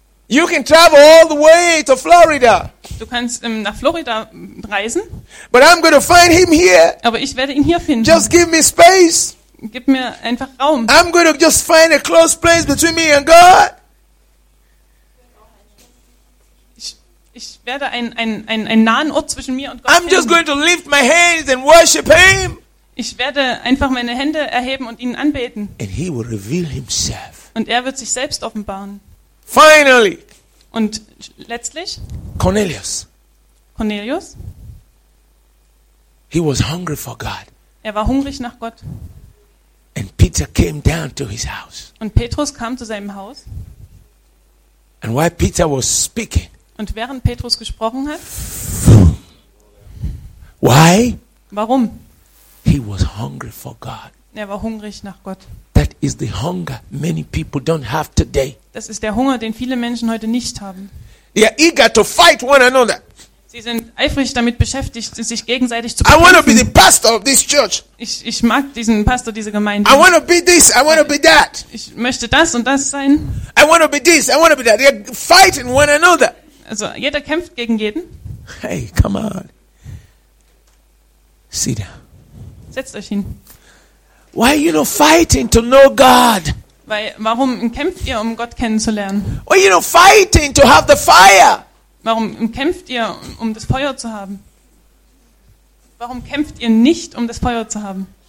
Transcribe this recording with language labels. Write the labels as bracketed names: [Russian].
[English] You can travel all the way to Florida. [German] Du kannst nach Florida reisen. [English] But I'm going to find him here. [German] Aber ich werde ihn hier finden. [English] Just give me space. [German] Gib mir einfach Raum. [English] I'm going to just find a close place between me and God. [German] Ich werde einen nahen Ort zwischen mir und Gott [English] finden. I'm just going to lift my hands and worship him. [German] Ich werde einfach meine Hände erheben und ihn anbeten. [English] And he will reveal himself. [German] Und er wird sich selbst offenbaren. [English] Finally. [German] Und letztlich. [English] Cornelius. He was hungry for God. [German] Er war hungrig nach Gott. [English] And Peter came down to his house. [German] Und Petrus kam zu seinem Haus. [English] And while Peter was speaking. [German] Und während Petrus gesprochen hat, [English] why? [German] Warum? [English] He was hungry for God. [German] Er war hungrig nach Gott. [English] That is the hunger many people don't have today. [German] Das ist der Hunger, den viele Menschen heute nicht haben. [English] They are eager to fight one another. [German] Sie sind eifrig damit beschäftigt, sich gegenseitig zu bekämpfen. [English] I want to be the pastor of this church. [German] Ich mag diesen Pastor dieser Gemeinde. [English] I want to be this. I want to be that. [German] Ich möchte das und das sein. [English] I want to be this. I want to be that. They are fighting one another. [German] Also jeder kämpft gegen jeden. [English] Hey, come on. Sit down. [German] Setzt euch hin. [English] Why are you not fighting to know God? [German] Weil warum kämpft ihr, um Gott kennenzulernen? [English] Why are you not fighting to have the fire? [German] Warum kämpft ihr, um das Feuer zu haben? Warum kämpft ihr nicht, um das Feuer zu haben?